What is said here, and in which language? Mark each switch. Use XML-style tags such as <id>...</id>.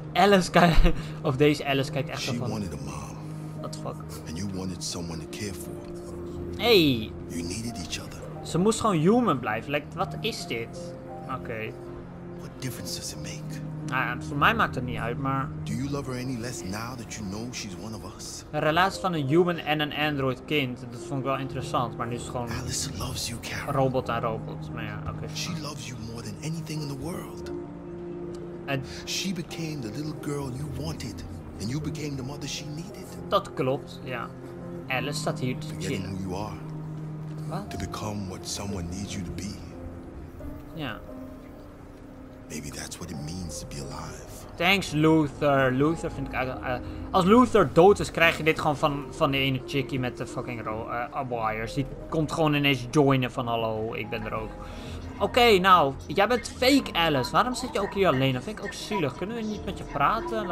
<nl>Alice kijkt, of deze Alice kijkt echt</nl> <en>ervan. She wanted a mom. What the fuck? And you wanted someone to care for. Hey. You needed each other.</en> <nl>Ze moest gewoon human blijven. Like, wat is dit? Okay.</nl> <en>What difference does it make?</en> <nl>Voor mij maakt het niet uit, maar.</nl> <en>Do you love her any less now that you know she's one of us?</en> <nl>Een relatie van een human en een android kind, dat vond ik wel interessant, maar nu is het gewoon.</nl> <en>Alice loves you, Carol.</en> <nl>Robot aan robot, maar ja, oké.</nl> <en>She loves you more than anything in the world. And she became the little girl you wanted, and you became the mother she needed.</en> <nl>Dat klopt, ja. Alice staat hier te</nl> <en>chillen. Who you are. What? To become what someone needs you to be.</en> <nl>Ja.</nl> <en>Maybe that's what it means to be alive. Thanks, Luther.</en> <nl>Luther vind ik als Luther dood is, krijg je dit gewoon van de ene chickie met de fucking wires. Die komt gewoon ineens joinen van hallo, ik ben er ook. Okay, nou, jij bent fake Alice. Waarom zit je ook hier alleen? Dat vind ik ook zielig. Kunnen we niet met je praten?</nl>